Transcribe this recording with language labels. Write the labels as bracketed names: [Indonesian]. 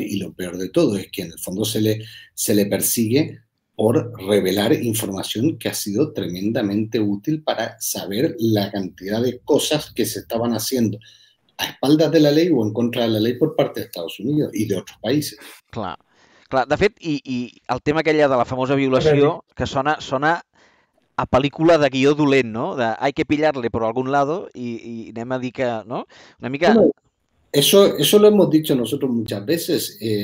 [Spanish] Y lo peor de todo es que en el fondo se le persigue por revelar información que ha sido tremendamente útil para saber la cantidad de cosas que se estaban haciendo a espaldas de la ley o en contra de la ley por parte de Estados Unidos y de otros países. [Catalan] Clar. Clar. De fet, i el tema aquella de la famosa violació, que sona a pel·lícula de guió dolent, no? [Spanish] De hay que pillarle por algún lado y [Catalan] anem a dir que... No? Una mica... [Spanish] Bueno, eso lo hemos dicho nosotros muchas veces.